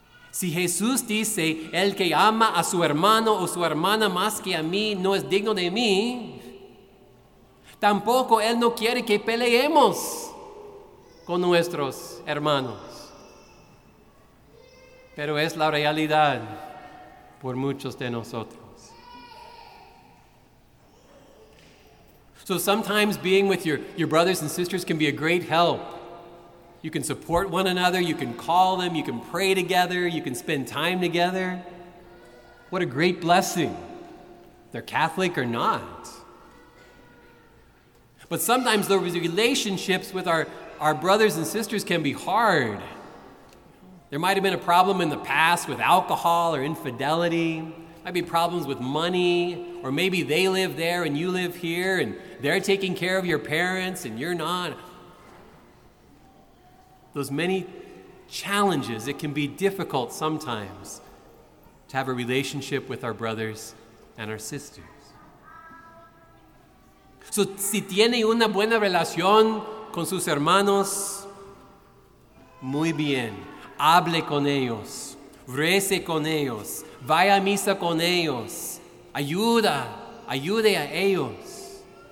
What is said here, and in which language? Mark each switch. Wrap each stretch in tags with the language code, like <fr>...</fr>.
<es>Si Jesús dice, el que ama a su hermano o su hermana más que a mí no es digno de mí, tampoco Él no quiere que peleemos con nuestros hermanos. Pero es la realidad por muchos de nosotros.</es> <en>So sometimes being with your brothers and sisters can be a great help. You can support one another, you can call them, you can pray together, you can spend time together. What a great blessing. They're Catholic or not. But sometimes those relationships with our brothers and sisters can be hard. There might have been a problem in the past with alcohol or infidelity. Might be problems with money, or maybe they live there and you live here and they're taking care of your parents and you're not. Those many challenges, it can be difficult sometimes to have a relationship with our brothers and our sisters.</en> <es>So, si tiene una buena relación con sus hermanos, muy bien. Hable con ellos, rece con ellos, vaya a misa con ellos, ayude a ellos.</es>